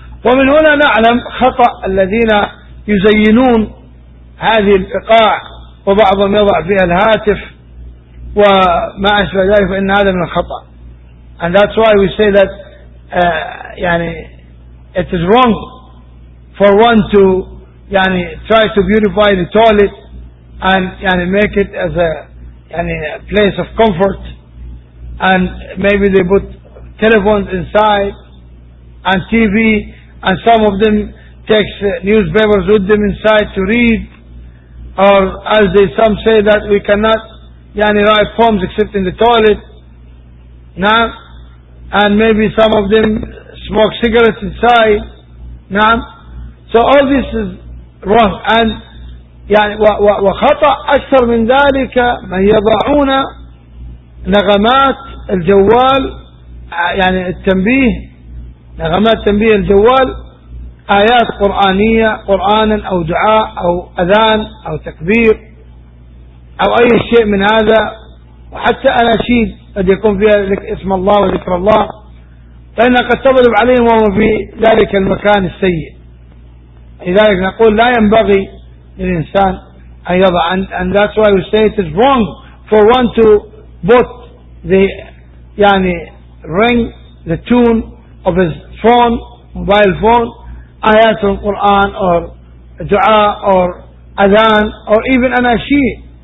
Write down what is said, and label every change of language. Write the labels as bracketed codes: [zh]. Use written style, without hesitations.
[ar] ومن هنا نعلم خطأ الذين يزينون هذه البقاع، وبعضهم يضع فيها الهاتف وما أشبه ذلك، فإن هذا من الخطأ. [en] And that's why we say that يعني it is wrong for one to يعني try to beautify the toilet and يعني make it as a يعني a place of comfort, and maybe they put telephones inside and TV, and some of them takes newspapers with them inside to read. Or as they some say that we cannot يعني write poems except in the toilet. [ar] نعم. [en] And maybe some of them smoke cigarettes inside. نعم. So all this is wrong. [ar] And يعني وخطأ أكثر من ذلك من يضعون نغمات الجوال، يعني التنبيه، نغمات تنبيه الجوال، آيات قرآنية، قرآنا أو دعاء أو أذان أو تكبير أو أي شيء من هذا، وحتى أناشيد قد يكون فيها اسم الله وذكر الله، فإنها قد تضرب عليهم وهم في ذلك المكان السيء. لذلك نقول لا ينبغي للإنسان أن يضع, [en] and that's why we say it is wrong for one to put the يعني ring, the tune of his phone, mobile phone, آيات القرآن or دعاء or أذان or even أناشيد.